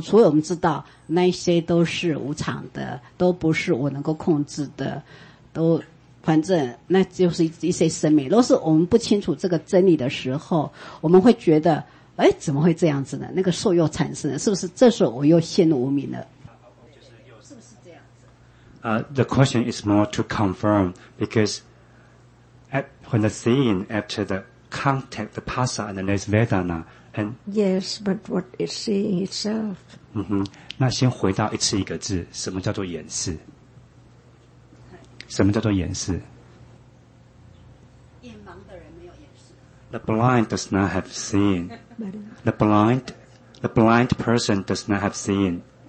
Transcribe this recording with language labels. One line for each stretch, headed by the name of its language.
Chinese: 除了我们知道那些都是无常的，都不是我能够控制的，都反正那就是一些生命。若是我们不清楚这个真理的时候，我们会觉得哎，怎么会这样子呢？那个受又产生了，是不是这时候我又陷入无明了？
English: The question is more to confirm, because when the seeing after the contact, the pasa and the next vedana, and... Yes, but what is seeing itself?
Chinese: 嗯哼，那先回到一次一个字，什么叫做眼识？什么叫做眼识？眼盲的人没有眼识。
English: The blind does not have seeing. The blind person does not have seeing.